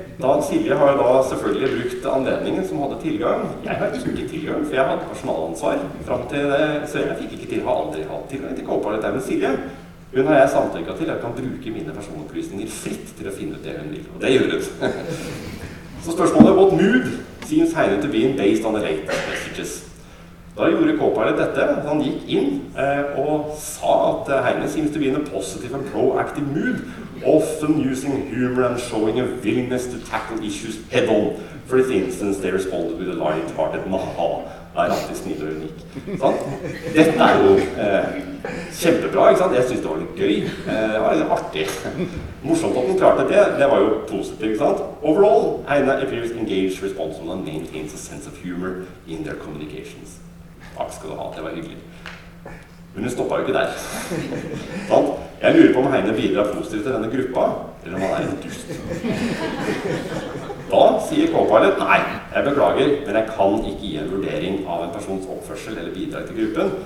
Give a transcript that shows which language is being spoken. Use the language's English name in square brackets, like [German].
[Norwegian] Da Silje har da selvfølgelig brukt anledningen som hadde tilgang. Jeg har ikke tilgang, for jeg hadde personalansvar frem til det, så jeg fikk ikke til å ha aldri hatt tilgang til Copilot med Silje. Hun har jeg samtykket til at jeg kan bruke mine personopplysninger fritt til å finne ut det hun vil, og det gjør hun. Så spørsmålet, [English] what mood seems Heine to be in based on the late messages? [Norwegian] Da gjorde Copilot dette, han gikk inn og sa at [English] Heine seems to be in a positive and proactive mood, often using humor and showing a willingness to tackle issues head on. For instance, they responded with a light-hearted maha. [Norwegian] Det alltid snill og unik. Sånn? Dette jo kjempebra, ikke sant? Jeg synes det var litt gøy. Det var litt artig. Morsomt at den klarte det. Det var jo positivt, ikke sant? [English] Overall, Heine appears engaged, responsible and maintains a sense of humor in their communications. [Norwegian] Takk skal du ha, det var hyggelig. Men hun stoppet jo ikke der. Sånn? Jeg lurer på om Heine bidrar positivt til denne gruppa, eller om han en dust. Da sier K-pilot, nei, jeg beklager, men jeg kan ikke gi en vurdering av en persons oppførsel eller bidrag til gruppen.